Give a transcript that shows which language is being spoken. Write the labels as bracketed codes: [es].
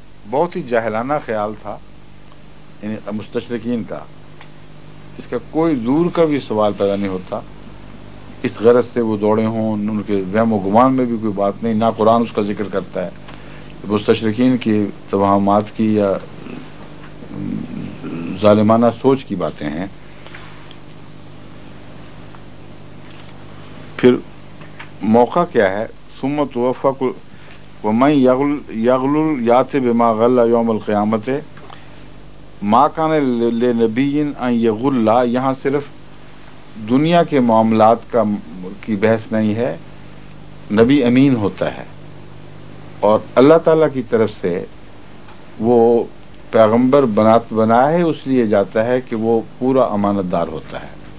[ur] بہت ہی جاہلانہ خیال تھا یعنی مستشرقین کا, اس کا کوئی دور کا بھی سوال پیدا نہیں ہوتا. اس غرض سے وہ دوڑے ہوں, ان کے وہم و گمان میں بھی کوئی بات نہیں, نہ قرآن اس کا ذکر کرتا ہے مستشرقین کی توہمات کی یا ظالمانہ سوچ کی باتیں ہیں. پھر موقع کیا ہے, [ar] ثم توفى ومن يغلل ياتي بما غل يوم القيامه. ما كان للنبي ان يغل, [ur] یہاں صرف دنیا کے معاملات کا کی بحث نہیں ہے. نبی امین ہوتا ہے اور اللہ تعالیٰ کی طرف سے وہ پیغمبر بنایا ہے, اس لیے جاتا ہے کہ وہ پورا امانت دار ہوتا ہے.